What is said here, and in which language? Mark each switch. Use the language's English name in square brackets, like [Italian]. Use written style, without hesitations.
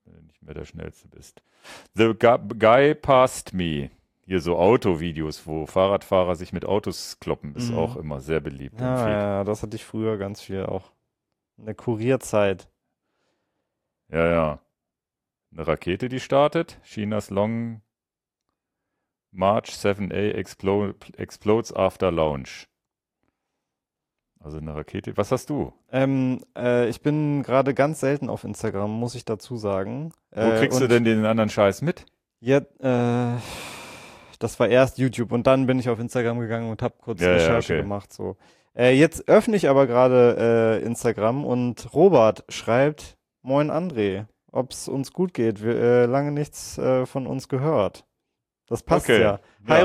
[German] nicht mehr der Schnellste bist. [English] The Guy Passed Me. [German] Hier so Autovideos, wo Fahrradfahrer sich mit Autos kloppen, ist auch immer sehr beliebt. Ja, ja, das hatte ich früher ganz viel auch. Eine Kurierzeit. Ja, ja. Eine Rakete, die startet. [English] China's Long March 7A explodes after launch. [German] Also eine Rakete. Was hast du? Ich bin gerade ganz selten auf Instagram, muss ich dazu sagen. Wo kriegst du denn den anderen Scheiß mit? Jetzt, das war erst YouTube und dann bin ich auf Instagram gegangen und habe kurz Recherche gemacht. So. Jetzt öffne ich aber gerade Instagram und Robert schreibt, Moin André, ob es uns gut geht, wir lange nichts von uns gehört. Das passt ja. Hi ja.